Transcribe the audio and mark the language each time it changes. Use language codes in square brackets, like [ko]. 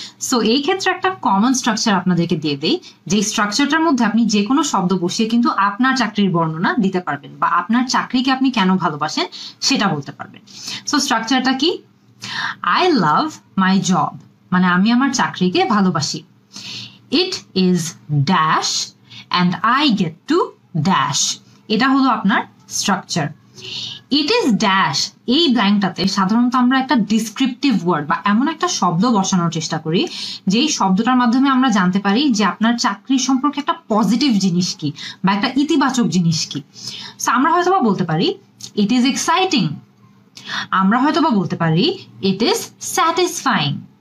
[bn] So এই ক্ষেত্রে একটা কমন স্ট্রাকচার আপনাদেরকে দিয়ে দেই, যে স্ট্রাকচারটার মধ্যে আপনি যে কোনো শব্দ বসিয়ে কিন্তু আপনার চাকরির বর্ণনা দিতে পারবেন বা আপনার চাকরিকে আপনি কেন ভালোবাসেন সেটা বলতে পারবেন। সো স্ট্রাকচারটা কি, [en] I love my job, [bn] মানে আমি আমার চাকরিকে ভালোবাসি। [en] It is dash and I get to dash. [bn] এটা হলো আপনার স্ট্রাকচার। [en] it is dash, [bn] এই ব্ল্যাঙ্কটাতে সাধারণত আমরা একটা ডিসক্রিপটিভ ওয়ার্ড বা এমন একটা শব্দ বসানোর চেষ্টা করি যেই শব্দটার মাধ্যমে আমরা জানতে পারি যে আপনার চাকরি সম্পর্কে একটা পজিটিভ জিনিস কি বা একটা ইতিবাচক জিনিস কি। সো আমরা হয়তো বা বলতে পারি [en] it is exciting, [bn] আমরা হয়তো বা বলতে পারি [en] It is satisfying.